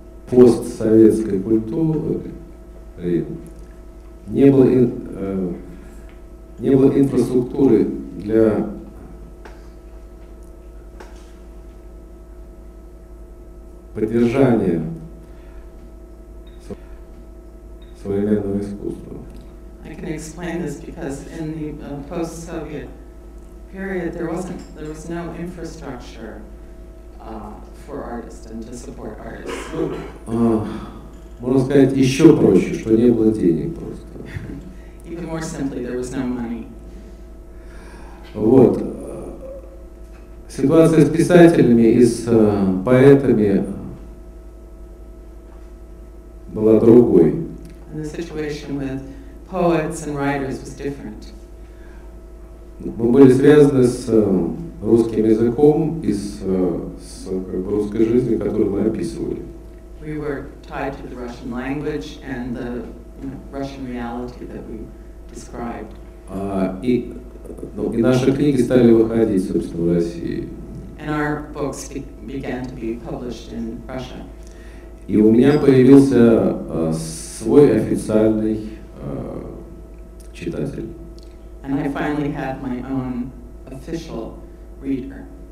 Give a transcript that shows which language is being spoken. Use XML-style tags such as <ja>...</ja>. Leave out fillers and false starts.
<ru>постсоветской культуре не было инфраструктуры для поддержания современного искусства.</ru> <en>I can explain this because in the post-Soviet period there was no infrastructure for artists and to support artists.</en> <ru>Можно сказать еще проще, что не было денег просто.</ru> <en>Even more simply, there was no money.</en> <ru>Вот. Ситуация с писателями и с поэтами была другой.</ru> <en>And the situation with poets and writers was different.</en> <ru>Мы были связаны с русским языком и с как бы, русской жизнью, которую мы описывали.</ru> <en>We were tied to the Russian language and the, you know, Russian reality that we described.</en> <ru>И наши книги стали выходить, собственно, в России.</ru> <en>And our books began to be published in Russia.</en> <ru>И у меня появился свой официальный читатель.</ru> <en>And I finally had my own official reader.</en>